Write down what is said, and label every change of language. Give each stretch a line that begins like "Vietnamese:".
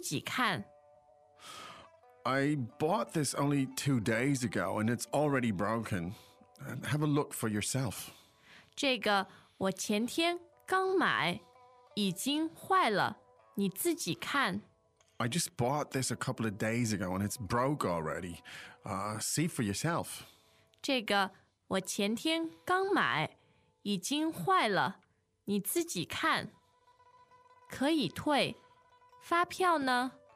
Chinese: 这个我前天刚买,已经坏了,你自己看。I
English: bought this only 2 days ago and it's already broken. Have a look for yourself.
Chinese: 这个我前天刚买。已经坏了,你自己看。I
English: just bought this a couple of days ago and it's broke already. See for yourself.
Chinese: 这个我前天刚买,已经坏了,你自己看。可以退,发票呢?